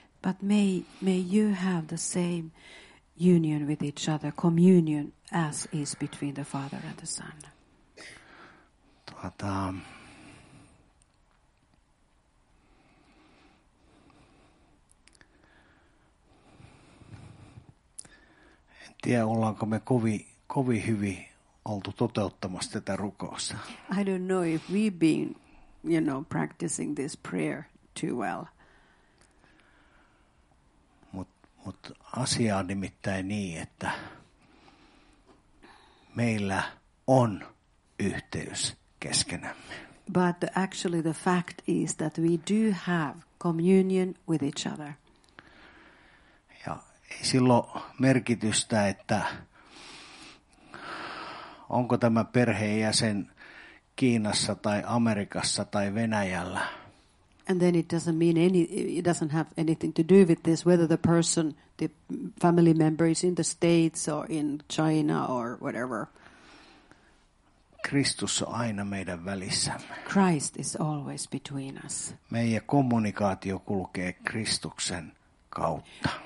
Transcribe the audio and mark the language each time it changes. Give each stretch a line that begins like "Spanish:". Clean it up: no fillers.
English: But may you have the same union with each other, communion as is between the Father and the Son.
Finnish: En tiedä, ollaanko me kovin hyvin oltu toteuttamassa tätä rukousta.
English: I don't know if we've been, you know, practicing this prayer too well.
Finnish: Mut asia on nimittäin niin, että meillä on yhteys keskenämme.
English: But actually the fact is that we do have communion with each other.
Finnish: Ja ei silloin merkitystä, että onko tämä perheenjäsen Kiinassa tai Amerikassa tai Venäjällä.
English: And then it doesn't have anything to do with this, whether the person, the family member is in the States or in China or whatever.
Finnish: Kristus on aina meidän välissämme.
English: Christ is always between us.
Finnish: Meidän kommunikaatio kulkee Kristuksen kautta.